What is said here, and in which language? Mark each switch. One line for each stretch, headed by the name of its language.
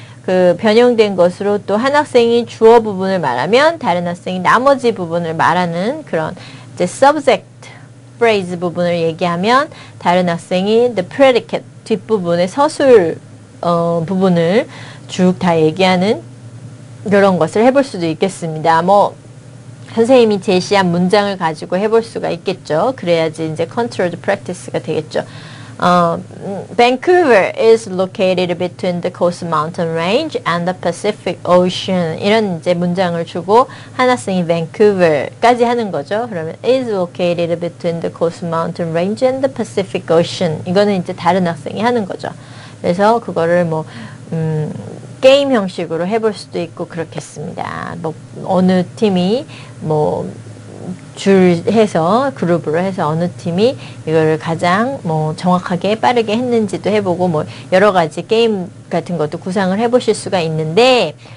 Korean: 그 변형된 것으로 또 한 학생이 주어 부분을 말하면 다른 학생이 나머지 부분을 말하는 그런 이제 subject, phrase 부분을 얘기하면 다른 학생이 the predicate 뒷부분의 서술 부분을 쭉 다 얘기하는 그런 것을 해볼 수도 있겠습니다. 뭐 선생님이 제시한 문장을 가지고 해볼 수가 있겠죠. 그래야지 이제 controlled practice가 되겠죠.
English: Vancouver is located between the Coast Mountain Range and the Pacific Ocean.
Korean: 이런 이제 문장을 주고 한 학생이 Vancouver까지 하는 거죠.
English: 그러면 is located between the Coast Mountain Range and the Pacific Ocean.
Korean: 이거는 이제 다른 학생이 하는 거죠. 그래서 그거를 뭐 게임 형식으로 해볼 수도 있고 그렇겠습니다. 뭐 어느 팀이 뭐 줄 해서 그룹으로 해서 어느 팀이 이거를 가장 뭐 정확하게 빠르게 했는지도 해보고 뭐 여러 가지 게임 같은 것도 구상을 해보실 수가 있는데